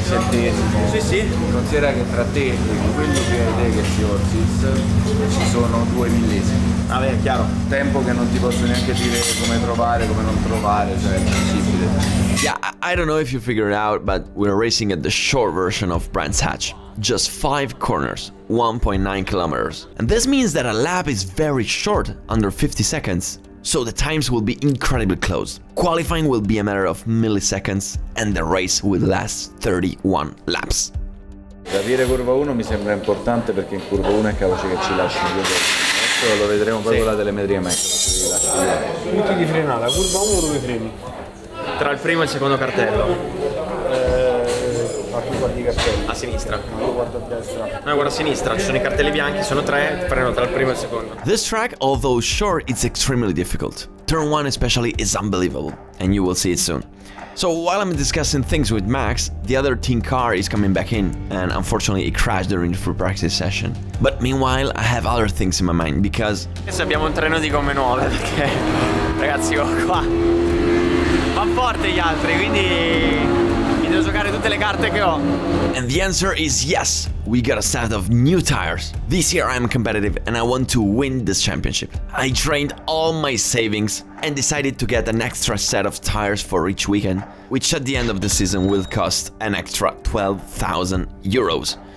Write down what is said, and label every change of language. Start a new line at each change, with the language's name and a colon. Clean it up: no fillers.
Italian: Considera che tra te e quello che hai te che è Orsis ci sono 2 millesimi. Ah beh, chiaro. Tempo che non ti posso neanche dire come trovare, come non trovare, cioè è impossibile.
English: I don't know if you figured it out, but we're racing at the short version of Brands Hatch. Just 5 corners, 1.9 kilometers. And this means that a lap is very short, under 50 seconds. So the times will be incredibly close. Qualifying will be a matter of milliseconds, and the race will last 31 laps.
Italian: Capire curva 1 mi sembra importante perché in curva 1 è capace che ci lasci due volte. Adesso lo vedremo poi con la telemetria meccanica. Punti di frenata, curva 1 dove freni? Tra il primo e il secondo cartello. A chi guardi i cartelli? A sinistra. Io guardo a destra. No, io guardo a sinistra, ci sono i cartelli bianchi, sono tre, freno tra il primo e il secondo.
English: This track, although sure, it's extremely difficult. Turn 1 especially is unbelievable, and you will see it soon. So while I'm discussing things with Max, the other team car is coming back in, and unfortunately it crashed during the free practice session. But meanwhile, I have other things in my mind, because...
Italian: Adesso abbiamo un treno di gomme nuove, perché... Ragazzi, ho qua... Va forte gli altri, quindi... Mi devo giocare tutte le carte che ho.
English: And the answer is yes, we got a set of new tires. This year I'm competitive and I want to win this championship. I drained all my savings and decided to get an extra set of tires for each weekend, which at the end of the season will cost an extra 12,000 euros.